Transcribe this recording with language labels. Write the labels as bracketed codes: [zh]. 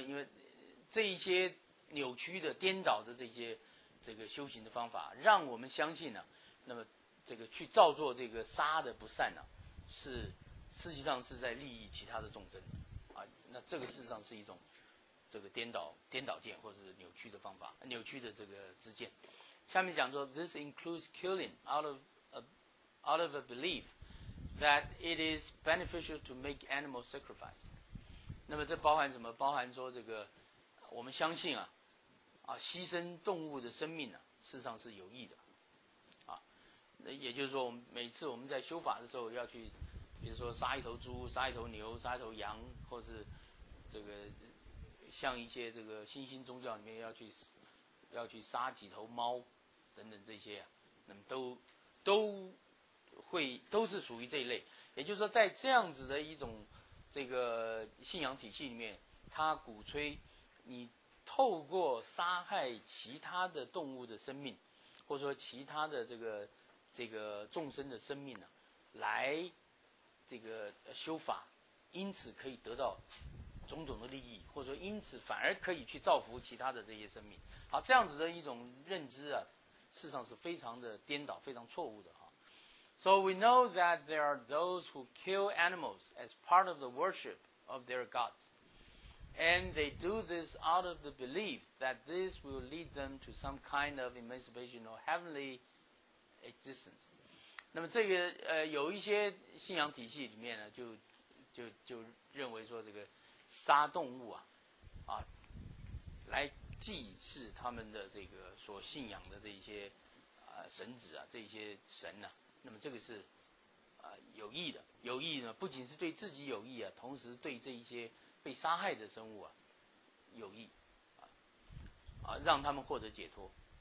[zh] 因为这一些扭曲的、颠倒的这些这个修行的方法，让我们相信呢、啊，那么这个去造作这个杀的不善呢、啊，是实际上是在利益其他的众生啊。那这个事实上是一种这个颠倒见或者是扭曲的方法、扭曲的这个之见。下面讲说 [en] ，this includes killing out of a belief that it is beneficial to make animal sacrifice. [zh] 那么这包含什么？包含说这个我们相信啊牺牲动物的生命呢、啊，事实上是有益的啊。那也就是说，我们每次我们在修法的时候要去，比如说杀一头猪、杀一头牛、杀一头羊，或是这个像一些这个新兴宗教里面要去杀几头猫等等这些、啊，那么都是属于这一类。也就是说，在这样子的一种这个信仰体系里面，他鼓吹你透过杀害其他的动物的生命，或者说其他的这个众生的生命呢、啊，来这个修法，因此可以得到种种的利益，或者说因此反而可以去造福其他的这些生命。好，这样子的一种认知啊，事实上是非常的颠倒，非常错误的。 [en] So we know that there are those who kill animals as part of the worship of their gods. And they do this out of the belief that this will lead them to some kind of emancipation or heavenly existence. [zh] 那么这个有一些信仰体系里面呢，就认为说这个杀动物啊来祭祀他们的这个所信仰的这些神子啊，这些神啊，那么这个是有益的，有益呢不仅是对自己有益啊，同时对这一些被杀害的生物啊有益啊，让他们获得解脱。